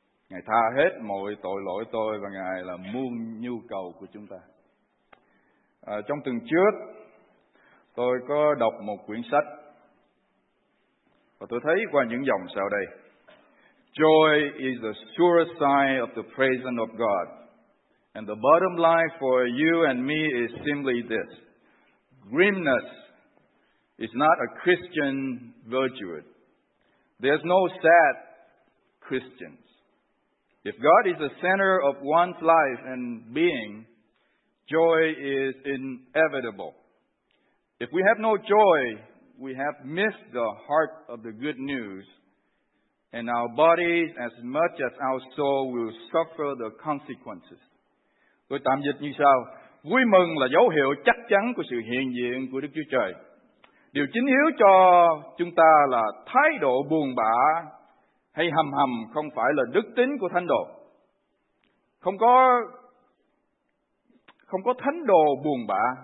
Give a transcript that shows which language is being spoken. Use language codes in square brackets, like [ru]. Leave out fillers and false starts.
[vi] Ngài tha hết mọi tội lỗi tôi và Ngài là muôn nhu cầu của chúng ta. Trong tuần trước tôi có đọc một quyển sách và tôi thấy qua những dòng sau đây: [en] Joy is the surest sign of the presence of God. And the bottom line for you and me is simply this: grimness is not a Christian virtue. There's no sad Christians. If God is the center of one's life and being, joy is inevitable. If we have no joy, we have missed the heart of the good news, and our bodies, as much as our soul, will suffer the consequences. [vi] Tôi tạm dịch như sau: vui mừng là dấu hiệu chắc chắn của sự hiện diện của Đức Chúa Trời. Điều chính yếu cho chúng ta là thái độ buồn bã hay hầm hầm không phải là đức tính của thánh đồ. Không có thánh đồ buồn bã.